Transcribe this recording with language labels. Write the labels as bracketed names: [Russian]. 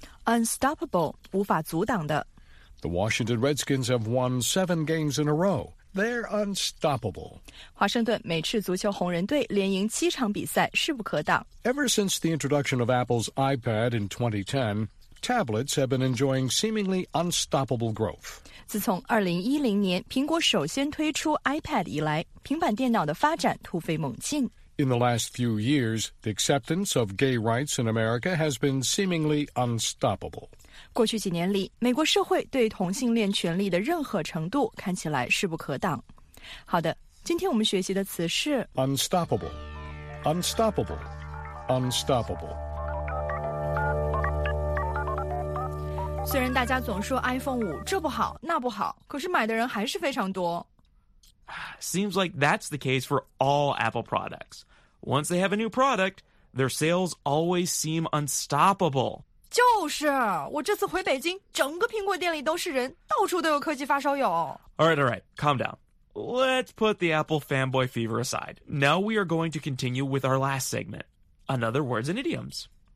[English] Unstoppable, [Chinese] 无法阻挡的。 [English] The Washington Redskins have won 7 games in a row. They're unstoppable. [Chinese] 华盛顿美式足球红人队连赢七场比赛势不可挡。 [English] Ever since the introduction of Apple's iPad in 2010,Tablets have been enjoying seemingly unstoppable growth. [Chinese] 自从2010年苹果首先推出 iPad 以来，平板电脑的发展突飞猛进。 [English] In the last few years, the acceptance of gay rights in America has been seemingly unstoppable. [Chinese] 过去几年里，美国社会对同性恋权利的任何程度看起来势不可挡。好的，今天我们学习的词是 [English] unstoppable, unstoppable, unstoppable. [Chinese] 虽然大家总说 iPhone 5这不好那不好，可是买的人还是非常多。 [English] Seems like that's the case for all Apple products. Once they have a new product, their sales always seem unstoppable. [Chinese] 就是，我这次回北京，整个苹果店里都是人，到处都有科技发烧友。 [English] All right, calm down. Let's put the Apple fanboy fever aside. Now we are going to continue with our last segment, another words and idioms.